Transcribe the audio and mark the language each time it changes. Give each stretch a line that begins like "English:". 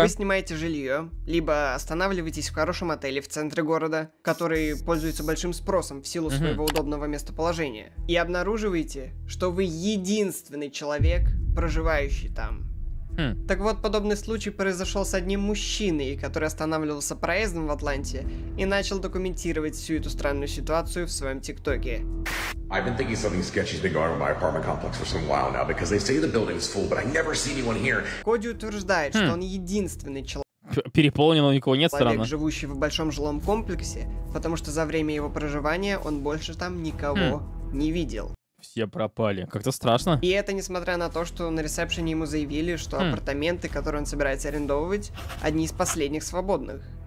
Russian: Вы снимаете жилье, либо останавливаетесь в хорошем отеле в центре города, который пользуется большим спросом в силу своего удобного местоположения, и обнаруживаете, что вы единственный человек, проживающий там. Так вот, подобный случай произошел с одним мужчиной, который останавливался проездом в Атланте и начал документировать всю эту странную ситуацию в своем ТикТоке.
English: I've been thinking something sketchy's been going on in my apartment complex for some while now, because they say the building is full, but I never see anyone here.
Russian: Коди утверждает, что он единственный человек. Переполнен, никого нет, странно. Человек, живущий в большом жилом комплексе, потому что за время его проживания он больше там никого не видел. Все пропали. Как-то страшно. И это несмотря на то, что на ресепшене ему заявили, что апартаменты, которые он собирается арендовывать, одни из последних свободных.